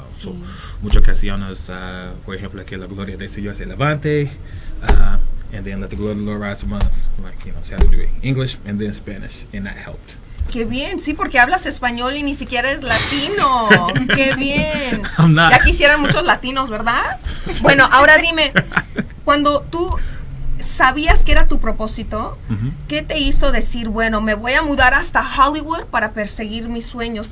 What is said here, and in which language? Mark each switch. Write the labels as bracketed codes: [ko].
[es] So, muchas ocasiones, por ejemplo, que la gloria del Señor se levante. [en] And then let the glory of the Lord rise from us. Like, you know, so I had to do it. English and then Spanish. And that helped. [es] Qué bien. Sí, porque hablas español y ni siquiera es latino. Qué bien. [en] I'm not. [es] Ya quisieran muchos latinos, ¿verdad? Bueno, ahora dime, cuando tú sabías que era tu propósito, ¿qué te hizo decir, bueno, me voy a mudar hasta Hollywood para perseguir mis sueños?